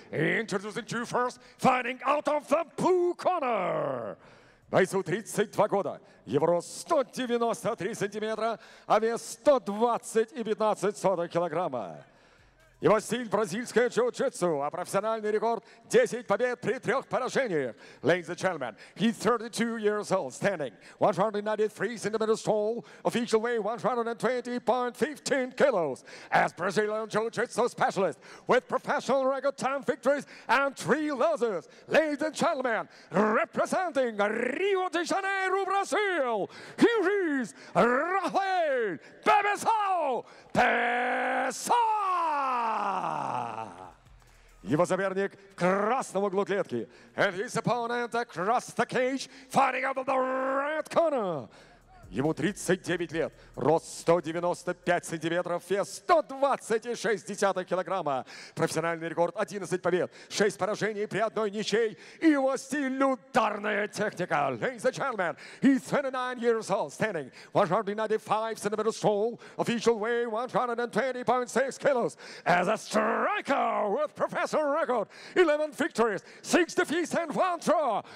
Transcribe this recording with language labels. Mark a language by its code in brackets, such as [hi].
[en] Introducing you first, fighting out of the blue corner. [ru] Бойцу 32 года. Его рост 193 сантиметра, а вес 120,15 килограмма. Его стиль — бразильское джиу-джитсу, а профессиональный рекорд — 10 побед при 3 поражениях. [en] Ladies and gentlemen, he's 32 years old, standing 193 centimeters tall, official weight 120.15 kilos, as Brazilian jiu-jitsu specialist, with professional record time victories and 3 losses. Ladies and gentlemen, representing Rio de Janeiro, Brazil, here is Rafael Bebesau Pessoa! [ru] Его соперник в красном углу клетки. [en] And his opponent across the cage, fighting out of the red corner. [ru] Ему 39 лет. Рост 195 сантиметров, вес 120,6 килограмма. Профессиональный рекорд — 11 побед, 6 поражений при одной ничей. И его стиль — ударная техника. [en] Ladies and gentlemen, he's 29 years old, standing 195 centimeters tall, official weight 120.6 kilos, as a striker with professional record 11 victories, 6 defeats and 1 draw.